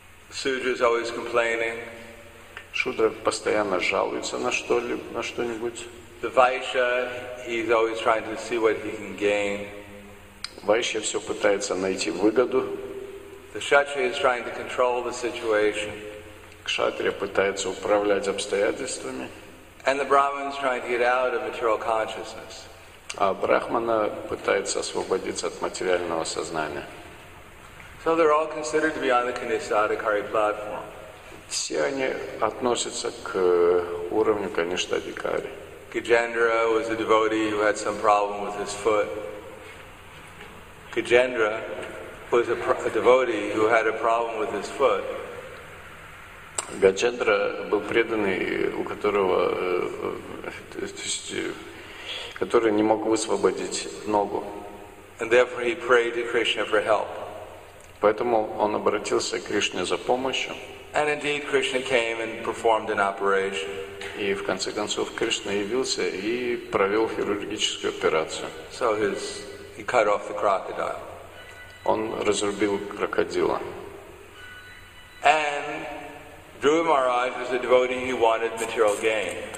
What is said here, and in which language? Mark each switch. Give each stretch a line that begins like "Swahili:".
English: Shudra is always complaining.
Russian: Шудра постоянно жалуется на что-нибудь.
English: The Vaishya, he's always trying to see what he can gain.
Russian: Вайшья все пытается найти выгоду.
English: The Kshatriya is trying to control the situation.
Russian: Кшатрия пытается управлять обстоятельствами.
English: And the Brahman is trying to get out of material consciousness.
Russian: А Брахмана пытается освободиться от материального сознания.
English: So they're all considered to be on the Kanista Adhikari platform.
Russian: Все они относятся к уровню Kanista Adhikari.
English: Gajendra was a devotee who had some problem with his foot. Gajendra was a devotee who had a problem with his foot.
Russian: Гаджендра был преданный, у которого, то есть, который не мог высвободить ногу.
English: And therefore he prayed to Krishna for help.
Russian: Поэтому он обратился к Кришне за помощью.
English: And indeed Krishna came and performed an operation.
Russian: И в конце концов Кришна явился и провел хирургическую операцию.
English: So he cut off the crocodile.
Russian: Он разрубил крокодила.
English: And Dhruva Maharaj was a devotee who wanted material gain.